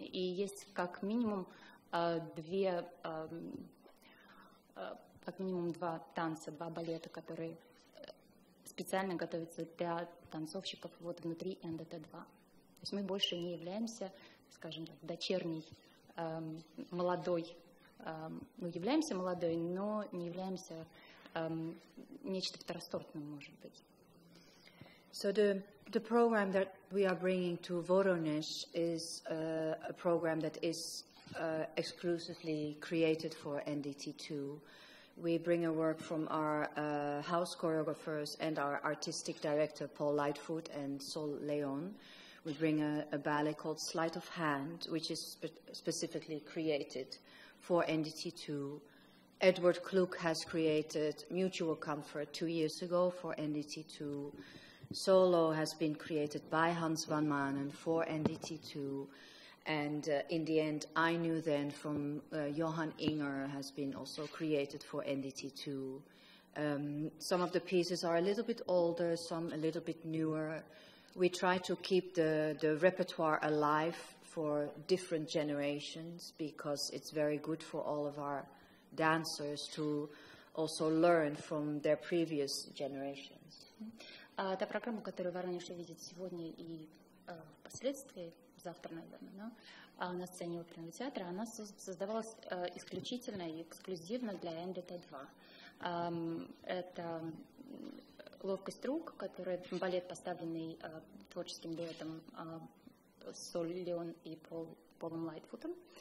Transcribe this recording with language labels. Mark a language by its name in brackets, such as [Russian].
[Russian] И есть как минимум два танца, два балета, которые специально готовятся для танцовщиков вот внутри НДТ-2. То есть мы больше не являемся, скажем так, дочерней, молодой. Мы являемся молодой, но не являемся нечто второсортным, может быть. [English] So the program that we are bringing to Voronezh is a program that is exclusively created for NDT2. We bring a work from our house choreographers and our artistic director, Paul Lightfoot and Sol Leon. We bring a ballet called Sleight of Hand, which is specifically created for NDT2. Edward Kluck has created Mutual Comfort 2 years ago for NDT2. Solo has been created by Hans van Manen for NDT2. And in the end, I Knew Then from Johan Inger has been also created for NDT2. Some of the pieces are a little bit older, some a little bit newer. We try to keep the repertoire alive for different generations because it's very good for all of our dancers to also learn from their previous generations. [Russian] Та программа, которую Воронеж увидит сегодня и впоследствии, завтра, наверное, но, на сцене оперного театра, она создавалась исключительно и эксклюзивно для NDT2. Это ловкость рук, который балет, поставленный творческим дуэтом Соль Леон и Полом Лайтфутом.